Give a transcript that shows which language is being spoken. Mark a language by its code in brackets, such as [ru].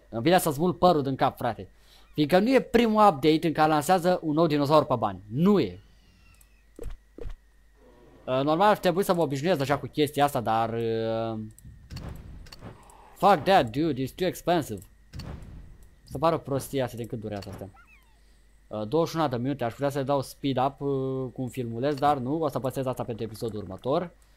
[ro] Îmi vine să-ți mult părul din cap, frate. Fiindcă nu e primul update în care lansează un nou dinozaur pe bani. Nu e. Normal ar trebui să mă obișnuiesc deja cu chestia asta, dar... [en] Fuck that, dude, it's too expensive. [ro] Se pare o prostie asta, din cât durează asta. 21 de minute, aș putea să le dau speed up cu un filmuleț, dar nu, o să păstrez asta pentru episodul următor.